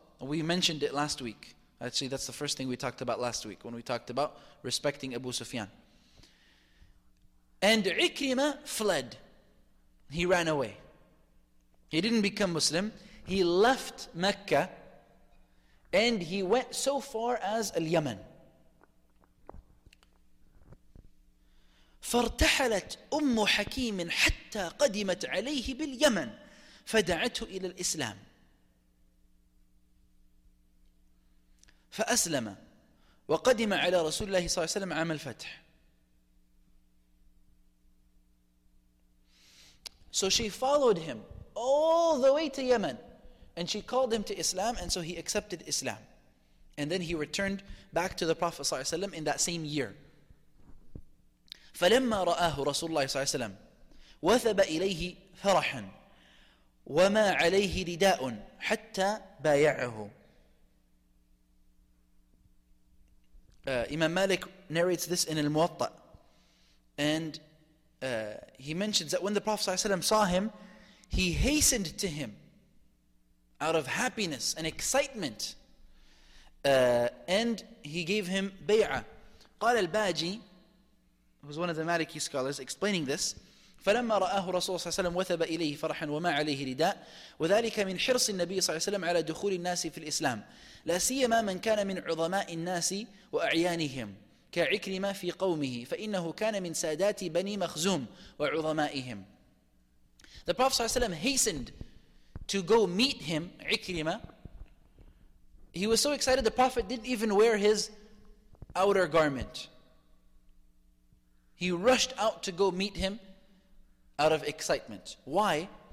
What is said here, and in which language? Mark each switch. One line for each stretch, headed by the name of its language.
English: We mentioned it last week. Actually, that's the first thing we talked about last week when we talked about respecting Abu Sufyan. And Ikrimah fled. He ran away. He didn't become Muslim. He left Mecca and he went so far as Al-Yaman.
Arabic: فَارْتَحَلَتْ أُمُّ حَكِيمٍ حَتَّى قَدِمَتْ عَلَيْهِ بِالْيَمَنِ فَدَعَتْهُ إِلَى الْإِسْلَامِ فأسلم وقدم على رسول الله صلى الله عليه وسلم عام الفتح.
English: So she followed him all the way to Yemen, and she called him to Islam, and so he accepted Islam, and then he returned back to the Prophet صلى الله عليه وسلم in that same year.
Arabic: فلما رآه رسول الله صلى الله عليه وسلم وثب إليه فرحا وما عليه رداء حتى بايعه.
English: Imam Malik narrates this in Al-Muwatta, and he mentions that when the Prophet ﷺ saw him, he hastened to him out of happiness and excitement, and he gave him bay'ah.
Arabic: قال الباجي,
English: who's one of the Maliki scholars, explaining this,
Arabic: فَلَمَّا رَآهُ رَسُولُ صَلَّى اللَّهُ عَلَيْهِ وَسَلَّمَ وَثَبَ إِلَيْهِ فَرَحًا وَمَا عَلَيْهِ رِدَاءٌ وَذَلِكَ مِنْ حِرْصِ النَّبِيِّ صَلَّى اللَّهُ عَلَيْهِ وَسَلَّمَ عَلَى دُخُولِ النَّاسِ فِي الْإِسْلَامِ لَا سِيَّمَا مَنْ كَانَ مِنْ عُظَمَاءِ النَّاسِ وَأَعْيَانِهِمْ كَعِكْرِمَة فِي قَوْمِهِ فَإِنَّهُ كَانَ مِنْ سَادَاتِ بَنِي مَخْزُومٍ وَعُظَمَائِهِمْ.
English: The Prophet صلى الله عليه وسلم hastened to go meet him, Ikrima. He was so excited the Prophet didn't even wear his outer garment. He rushed out to go meet him out of excitement. Why?